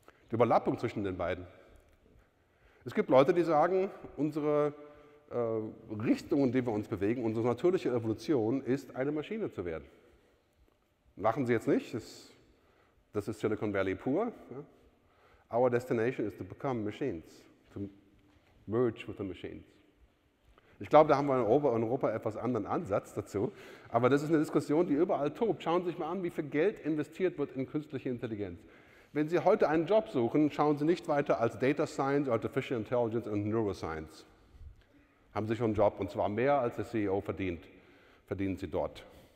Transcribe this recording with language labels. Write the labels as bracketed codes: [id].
[de] Die Überlappung zwischen den beiden. Es gibt Leute, die sagen, unsere Richtung, in die wir uns bewegen, unsere natürliche Evolution ist, eine Maschine zu werden. Machen Sie jetzt nicht, das ist Silicon Valley pur. Ja. [en] Our destination is to become machines, to merge with the machines. [de] Ich glaube, da haben wir in Europa etwas anderen Ansatz dazu, aber das ist eine Diskussion, die überall tobt. Schauen Sie sich mal an, wie viel Geld investiert wird in künstliche Intelligenz. Wenn Sie heute einen Job suchen, schauen Sie nicht weiter als Data Science, Artificial Intelligence und Neuroscience. Haben Sie schon einen Job, und zwar mehr als der CEO verdient, verdienen Sie dort.